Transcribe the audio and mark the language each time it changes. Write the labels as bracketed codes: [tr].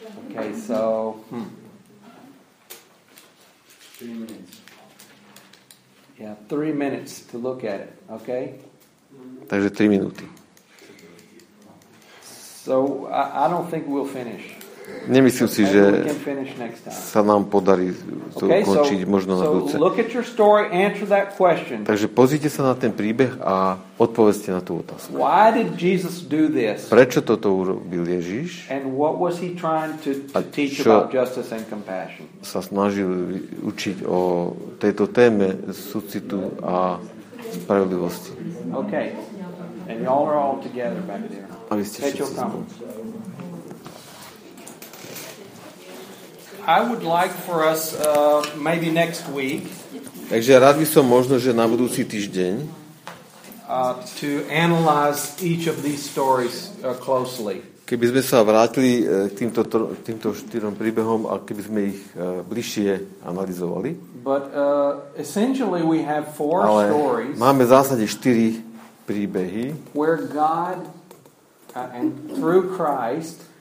[en] Okay, so 3 minutes. Yeah, 3 minutes to look at it. Okay. [sk] Takže 3 minúty. [en] So I don't think we'll finish. [sk] Nemyslím si, že sa nám podarí to ukončiť možno na budúce. [en] Look at your story, answer that question. [sk] Takže pozrite sa na ten príbeh a odpovedzte na tú otázku. [en] Why did Jesus do this? [sk] Prečo toto urobil Ježiš? [en] And what was he trying to teach about justice and compassion? [sk] Sa snažil učiť o tejto téme súcitu a spravodlivosti. [en] Okay. And y'all are all together back there. [sk] A vy ste všetci spolu. [en] I would like for us maybe next week. [sk] Takže rád by som možno, že na budúci týždeň [en] to analyze each of these stories closely. [sk] Keby sme sa vrátili k týmto štyrom príbehom a keby sme ich bližšie analyzovali. [en] But essentially we have four stories. [sk] Máme v zásade 4 príbehy. [en] Where God and through Christ,